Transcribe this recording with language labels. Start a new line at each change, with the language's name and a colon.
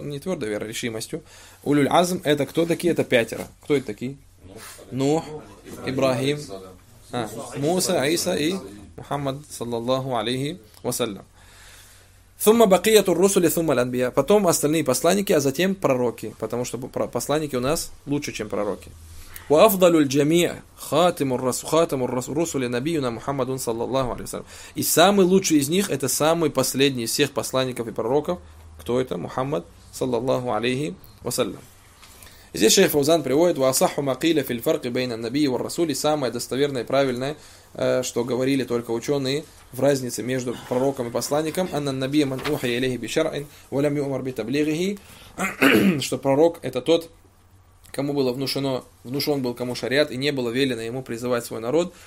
Russian: Не твердой верой, решимостью. Улюль Азм, это кто такие? Это пятеро. Кто это такие? Нух, Ибрагим, Муса, Аиса и Мухаммад, саллаллаху алейхи вассалям. Сумма бакияту русули, сумма ланбия. Потом остальные посланники, а затем пророки. Потому что посланники у нас лучше, чем пророки.
Arabic: وأفضل الجميع خاتم الرسل نبينا محمد صلى الله عليه وسلم.
Russian: И самый лучший из них, это самый последний из всех посланников и пророков. Кто это?
Arabic: Мухаммад صلى الله عليه وسلم. Здесь шейх Фаузан приводит: وأصح ما قيل في الفرق بين النبي والرسول.
Russian: Самое достоверное и правильное, что говорили только ученые в разнице между пророком и посланником, أن النبي من أوحي إليه بشرع ولم يؤمر بتبليغه. Что пророк — это тот, кому было внушено, внушен был кому шариат, и не было велено ему призывать свой народ.